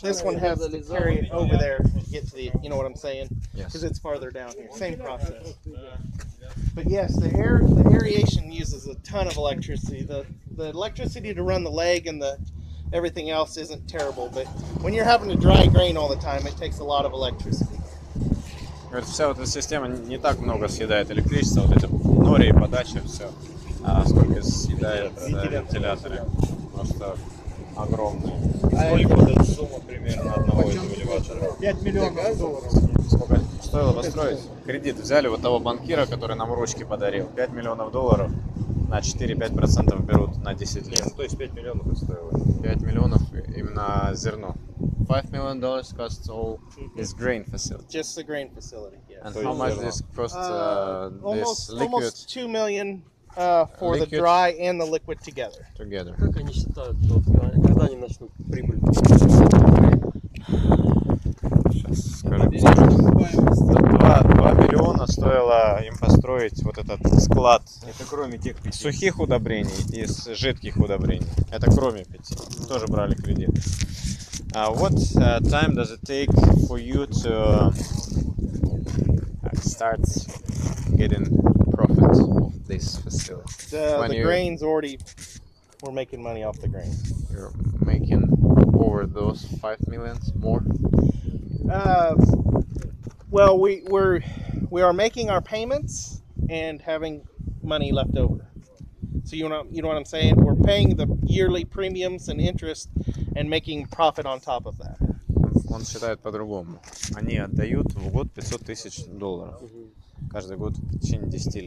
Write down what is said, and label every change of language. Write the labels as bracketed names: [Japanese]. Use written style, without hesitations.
[English] This one has to carry it over there to get to the, you know what I'm saying? Because It's farther down here. Same process. But yes, the aeration uses a ton of electricity. The electricity to run the leg and the everything else isn't terrible, but when you're having to dry grain all the time, it takes a lot of electricity. [Russian] Говорит, вся вот эта система не так много съедает электричество, вот эти нори и подача, все. А сколько съедает вентиляторы? Просто огромные. А сколько вот эта сумма примерно одного из элеватора? 5 миллионов долларов. Сколько стоило построить? Кредит взяли вот того банкира, который нам ручки подарил. 5 миллионов долларов на 4-5% берут на 10 лет. Ну, то есть 5 миллионов это стоило? 5 миллионов именно зерно. [English] $5 million costs all this grain facility. Just the grain facility, yes. And how much this costs? This liquid. Almost $2 million for liquid. The dry and the liquid together. Together. [Russian] Как они считают, когда они начнут прибыль? Сейчас скажу. $2 million стоило им построить вот этот склад. Это кроме тех пяти. Сухих удобрений и жидких удобрений. Это кроме пяти. Тоже брали кредит. [English] What time does it take for you to start getting profit of this facility? The grains already, we're making money off the grains. You're making over those 5 million more? Well, we are making our payments and having money left over. So you know what I'm saying? We're paying the yearly premiums and interest and making profit on top of that. [Russian] Он считает по-другому. Они отдают в год 500 тысяч долларов. Mm-hmm. Каждый год в течение 10 лет.